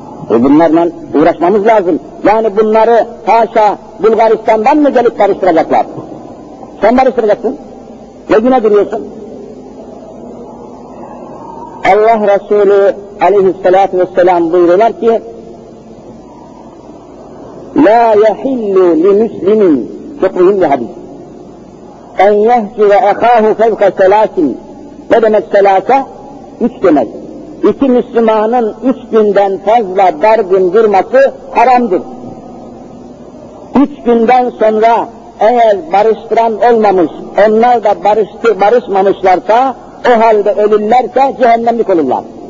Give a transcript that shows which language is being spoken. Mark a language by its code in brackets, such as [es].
[tr] Bunlarla uğraşmamız lazım. Yani bunları haşa Bulgaristan'dan mı gelip barıştıracaklar? Sen barıştıracaksın. Ne güne duruyorsun? Allah Resulü aleyhissalatü vesselam buyuruyorlar ki [ar] لَا يَحِلُّ لِمُسْلِمٍ [tr] Çok mühim bir hadis. [ar] اَنْ يَحْجِرَ اَخَاهُ فَوْكَ سَلَاسٍ [tr] Ne demek selasa? Üç demek. İki Müslümanın üç günden fazla dargın durması haramdır. Üç günden sonra eğer barıştıran olmamış, onlar da barışmamışlarsa, o halde ölürlerse cehennemlik olurlar.